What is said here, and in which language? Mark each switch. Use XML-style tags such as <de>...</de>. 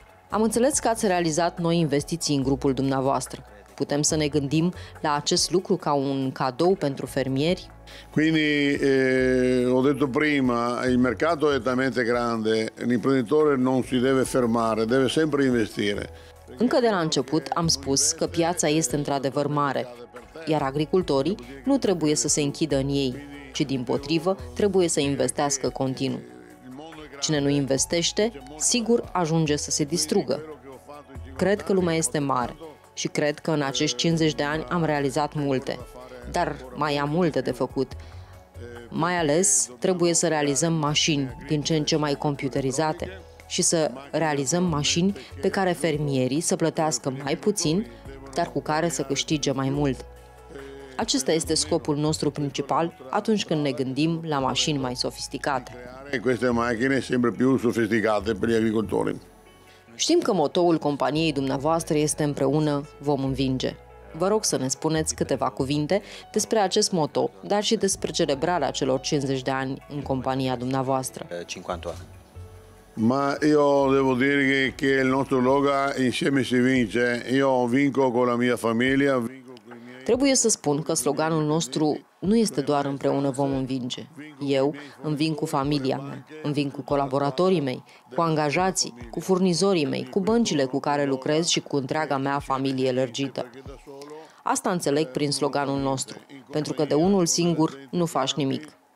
<ro>Am înțeles că ați realizat noi investiții în grupul dumneavoastră. Putem să ne gândim la acest lucru ca un cadou pentru fermieri?</ro> <it>Quindi, ho detto prima, il mercato è talmente grande, l'imprenditore non si deve fermare, deve sempre investire.</it> <ro>Încă de la început am spus că piața este într-adevăr mare, iar agricultorii nu trebuie să se închidă în ei, ci dimpotrivă trebuie să investească continuu. Cine nu investește, sigur ajunge să se distrugă. Cred că lumea este mare și cred că în acești 50 de ani am realizat multe, dar mai am multe de făcut. Mai ales trebuie să realizăm mașini din ce în ce mai computerizate și să realizăm mașini pe care fermierii să plătească mai puțin, dar cu care să câștige mai mult. Acesta este scopul nostru principal atunci când ne gândim la mașini mai sofisticate. Aceste mașini sunt</ro> <it>sempre più sofisticate</it> <ro>pentru agricultori. Știm că motoul companiei dumneavoastră este împreună vom învinge. Vă rog să ne spuneți câteva cuvinte despre acest moto, dar și despre celebrarea celor 50 de ani în compania dumneavoastră. 50 ani.</ro> <it>Ma io devo dire che il nostro logo insieme si vince. Io vinco con la mia famiglia.</it> <ro>Trebuie să spun că sloganul nostru nu este doar împreună vom învinge. Eu învin cu familia mea, învin cu colaboratorii mei, cu angajații, cu furnizorii mei, cu băncile cu care lucrez și cu întreaga mea familie lărgită. Asta înțeleg prin sloganul nostru, pentru că de unul singur nu faci nimic.</ro>